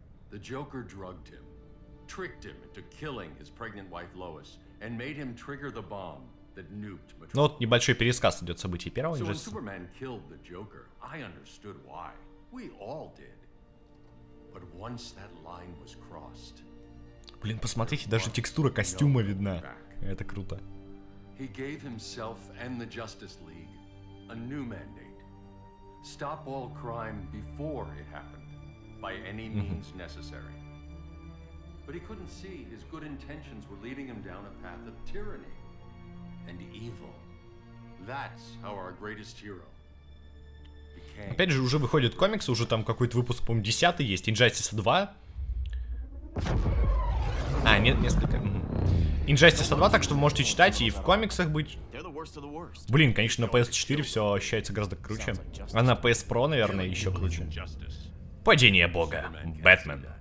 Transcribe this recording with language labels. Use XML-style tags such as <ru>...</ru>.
<en>The Joker drugged him, tricked him into killing his pregnant wife Lois, and made him trigger the bomb.</en> <ru>Ну вот небольшой пересказ идет событий первого Injustice.</ru> <en>So when Superman killed the Joker, I understood why. We all did. But once that line was crossed.</en> <ru>Блин, посмотрите, даже текстура костюма видна. Это круто.</ru> <en>He gave himself and the Justice League a new mandate. Stop all crime before it happened, by any means necessary. But he couldn't see his good intentions were leading him down a path of tyranny and evil. That's how our greatest hero.</en> <ru>Опять же, уже выходят комиксы, уже там какой-то выпуск, по-моему, 10-й есть, Injustice 2. А, нет, несколько. Injustice 2, так что вы можете читать и в комиксах быть. Блин, конечно, на PS4 все ощущается гораздо круче. А на PS Pro, наверное, еще круче. Падение бога. Бэтмен.</ru>